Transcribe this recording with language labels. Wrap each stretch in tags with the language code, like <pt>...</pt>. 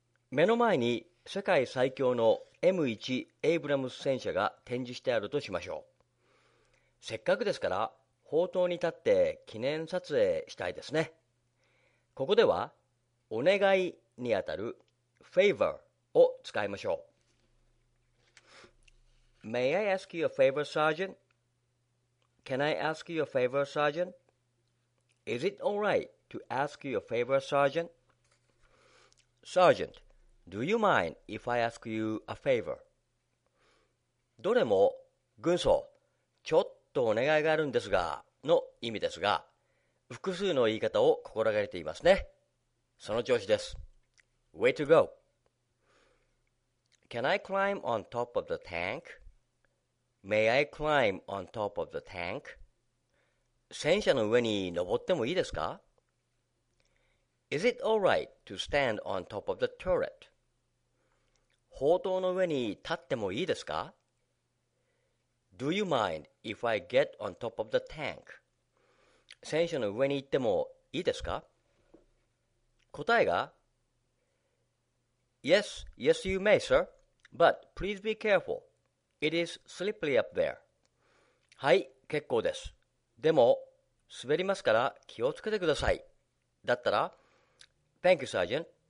<ja>目の前に世界最強の M1 エイブラムス戦車が展示してあるとしましょう。せっかくですから砲塔に立って記念撮影したいですね。ここではお願いにあたる favor を使いましょう。</ja> <en>May I ask you a favor, Sergeant? Can I ask you a favor, Sergeant? Is it all right to ask you a favor, Sergeant? Sergeant, do you mind if I ask you a favor?</en> <ja>どれも軍曹、ちょっとお願いがあるんですがの意味ですが、複数の言い方を心がけていますね。その調子です。</ja> <en>Way to go! Can I climb on top of the tank? May I climb on top of the tank?</en> <ja>戦車の上に登ってもいいですか?</ja> <en>Is it all right to stand on top of the turret?</en> <ja>砲塔の上に立ってもいいですか?</ja> <en>Do you mind if I get on top of the tank?</en> <ja>戦車の上に行ってもいいですか。答えが</ja> <en>Yes, yes you may, sir. But please be careful. It is slippery up there.</en> <ja>はい、結構です。でも滑りますから気をつけてください。だったら</ja> <en>Thank you, Sergeant.</en>